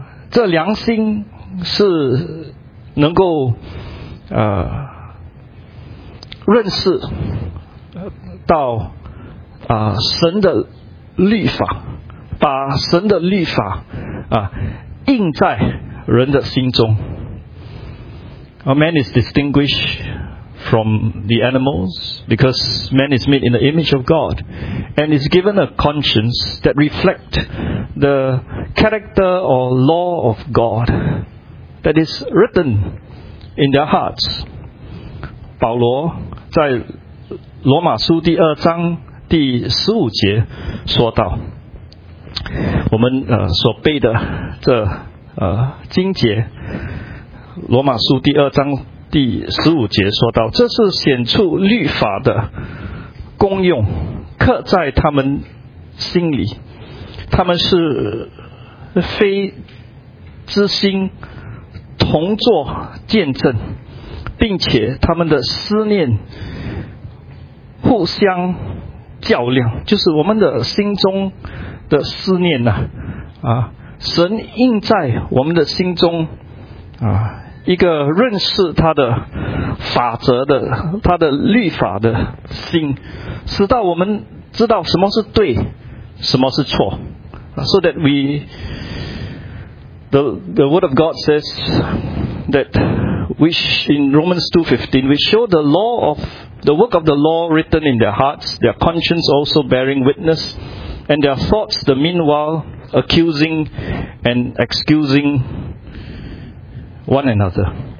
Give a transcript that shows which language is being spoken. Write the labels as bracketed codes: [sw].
[zh] 这良心是能够认识到神的律法，把神的律法印在人的心中。 [en] A man is distinguished from the animals because man is made in the image of God and is given a conscience that reflect the character or law of God that is written in their hearts. [zh] 保罗在罗马书第二章第十五节说到，我们所背的这经节，罗马书第二章第十五节说到，这是显出律法的功用，刻在他们心里，他们是非知心同作见证，并且他们的思念互相较量，就是我们的心中的思念呢，神印在我们的心中一个认识他的法则的他的律法的心，使到我们知道什么是对什么是错。 [en] So that we the word of God says that which in Romans 2:15 we show the law of the work of the law written in their hearts, their conscience also bearing witness, and their thoughts the meanwhile accusing and excusing one another.